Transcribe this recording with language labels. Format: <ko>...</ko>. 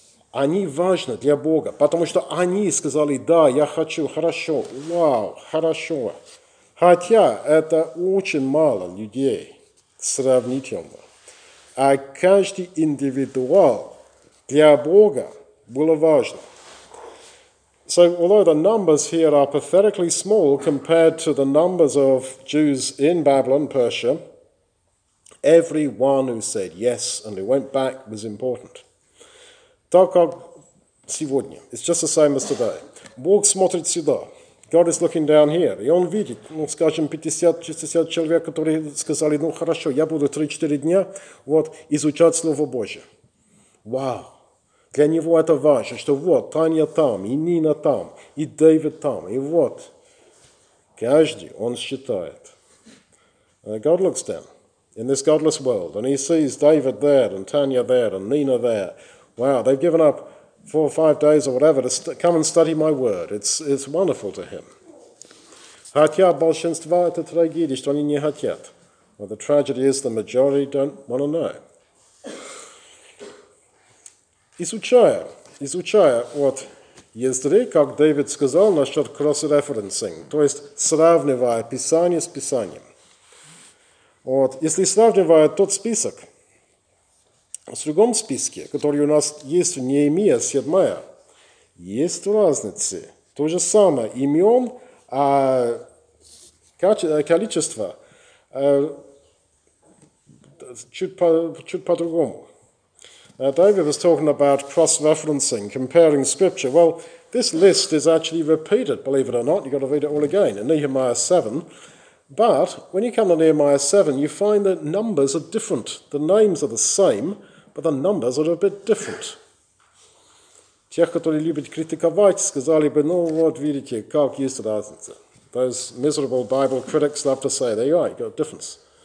<ru>Они важны для Бога, потому что они сказали, да, я хочу, хорошо, вау, хорошо. Хотя это очень мало людей сравнительно, а каждый индивидуал для Бога было важно.</ru> <en>So, although the numbers here are pathetically small compared to the numbers of Jews in Babylon, Persia, every one who said yes and who went back was important.</en> <ru>Так как сегодня,</ru> <en>it's just the same as today.</en> <ru>Бог смотрит сюда.</ru> <en>God is looking down here.</en> <ru>И он видит, ну, скажем, 50-60 человек, которые сказали, ну, хорошо, я буду 3-4 дня вот, изучать Слово Божие. Вау! Для него это важно, что вот, Таня там, и Нина там, и Дэвид там, и вот. Каждый, он считает.</ru> <en>God looks down in this godless world, and he sees David there, and Tanya there, and Nina there. Wow, they've given up 4 or 5 days or whatever to come and study my word. It's wonderful to him.</en> <ru>Хотя большинство это трагедии, что они не хотят.</ru> <en>Well, the tragedy is the majority don't want to know.</en> <ru>Изучая вот Ездры, как Дэвид сказал насчет cross-referencing, то есть сравнивая Писание с Писанием. Вот, если сравнивая тот список с другом списке, который у нас есть в Неемия 7, есть разницы. То же самое имен, а количество чуть по-другому.</ru> <en>David was talking about cross-referencing, comparing scripture. Well, this list is actually repeated, believe it or not. You've got to read it all again in Nehemiah 7. But when you come to Nehemiah 7, you find that numbers are different. The names are the same, but the numbers are a bit different.</en> <ru>Тех, которые любят критиковать, сказали бы, ну вот, видите, как есть разница.</ru> <en>Those miserable Bible critics love to say, there you are, you've got a difference.</en>